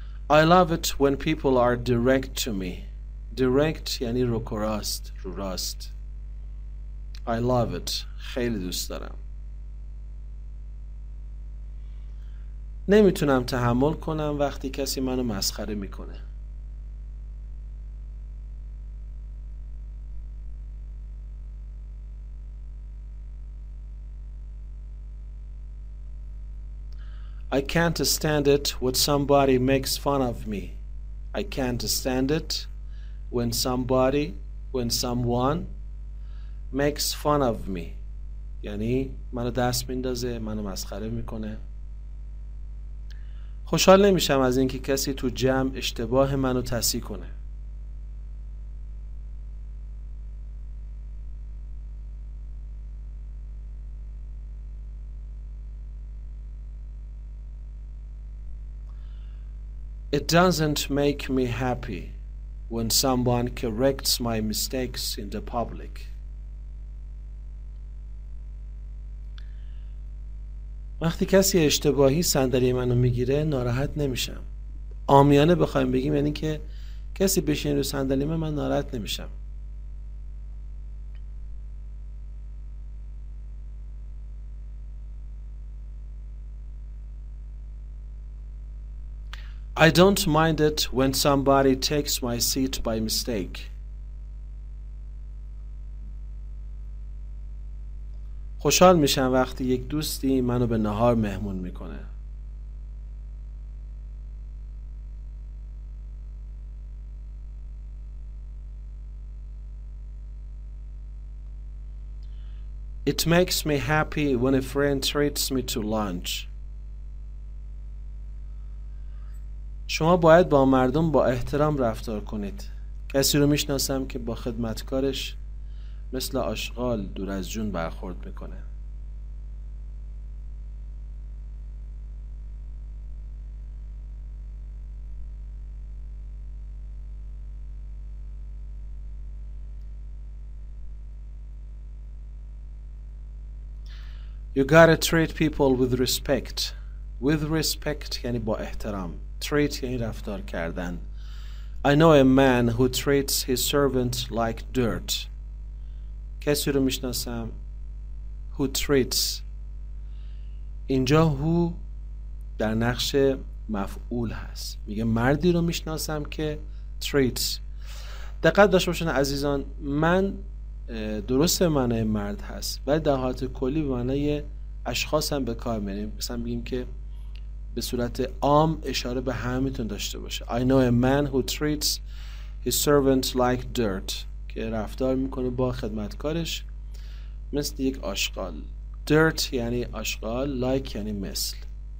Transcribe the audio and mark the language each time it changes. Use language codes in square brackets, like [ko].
[en] I love it when people are direct to me. [fa] Direct یعنی روکراست, رو راست. [en] I love it. [fa] خیلی دوست دارم. نمیتونم تحمل کنم وقتی کسی منو مسخره میکنه. [en] I can't stand it when somebody makes fun of me. I can't stand it when somebody, when someone makes fun of me. [fa] یعنی منو دست میندازه, منو مسخره میکنه. خوشحال نمیشم از اینکه کسی تو جمع اشتباه منو تصحیح کنه. [en] It doesn't make me happy when someone corrects my mistakes in the public. [fa] وقتی کسی اشتباهی صندلی منو میگیره ناراحت نمیشم. عامیانه بخوایم بگیم یعنی که کسی بشینه رو صندلی من ناراحت نمیشم. [en] I don't mind it when somebody takes my seat by mistake. [fa] خوشحال میشم وقتی یک دوستی منو به نهار مهمون میکنه. [en] It makes me happy when a friend treats me to lunch. [fa] شما باید با مردم با احترام رفتار کنید. کسی رو میشناسم که با خدمتکارش مثل آشغال دور از جون برخورد میکنه. [en] You gotta treat people with respect. [fa] With respect یعنی با احترام. Treat یعنی رفتار کردن. [en] I know a man who treats his servant like dirt. [fa] کسی رو میشناسم [en] who treats. [fa] اینجا who در نقش مفعول هست. میگه مردی رو میشناسم که treats. دقت داشته باشین عزیزان, من درست معنی مرد هست ولی در حالت کلی به معنی اشخاص هم به کار میریم. مثلا بگیم که به صورت عام اشاره به همیتون داشته باشه. [en] I know a man who treats his servant like dirt. [fa] که رفتار میکنه با خدمتکارش مثل یک آشغال. Dirt یعنی آشغال, like یعنی مثل.